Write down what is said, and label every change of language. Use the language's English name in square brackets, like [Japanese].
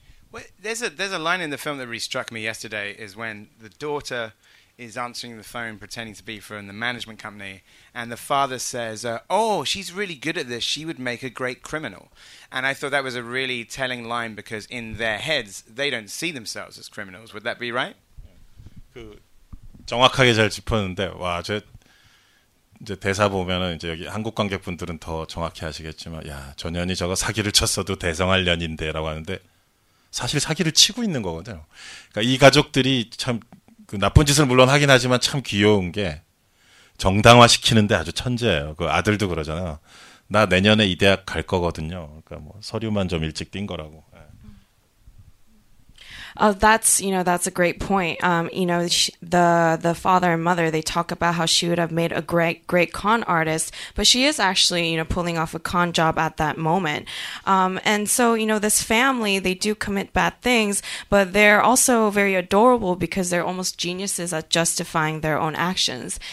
[English] Well, there's a line in the film that really struck me yesterday is when the daughter is answering the phone pretending to be from the management company, and the father says, oh, she's really good at this. She would make a great criminal. And I thought that was a really telling line because in their heads, they don't see themselves as criminals. Would that be right? [Korean] 그 정확하게 잘 짚었는데 와, 제 이제 대사 보면은 이제 여기 한국 관객분들은 더 정확히 아시겠지만 야, 저 년이 저거 사기를 쳤어도 대성할 년인데라고 하는데 사실 사기를 치고 있는 거거든요. 그러니까 이 가족들이 참 그 나쁜 짓을 물론 하긴 하지만 참 귀여운 게 정당화 시키는데 아주 천재예요. 그 아들도 그러잖아요. 나 내년에 이 대학 갈 거거든요. 그러니까 뭐 서류만 좀 일찍 띈 거라고. [English] That's a great point. The father and mother, they talk about how she would have made a great con artist, but she is actually, you know, pulling off a con job at that moment. And so, you know, this family, they do commit bad things, but they're also very adorable because they're almost geniuses at justifying their own actions.